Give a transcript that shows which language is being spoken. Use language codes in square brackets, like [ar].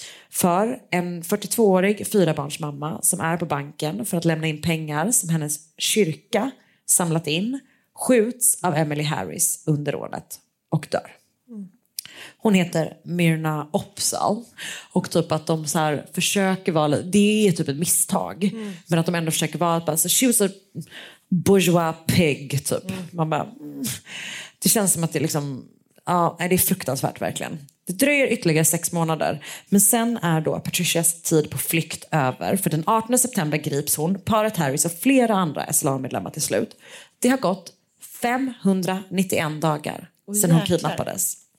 [sv] För en 42-årig fyrabarnsmamma som är på banken för att lämna in pengar som hennes kyrka samlat in skjuts av Emily Harris under rånet och dör. Hon heter Mirna Opsal. Och typ att de så här försöker vara... Det är typ ett misstag. Mm. Men att de ändå försöker vara... Alltså, [en] she was a bourgeois pig, [sv] typ. Mm. Man bara... Det känns som att det liksom... Ja, det är fruktansvärt, verkligen. Det dröjer ytterligare 6 månader. Men sen är då Patricias tid på flykt över. För den 18 september grips hon, paret Harris och flera andra SLA-medlemmar till slut. Det har gått 591 dagar sedan hon kidnappades.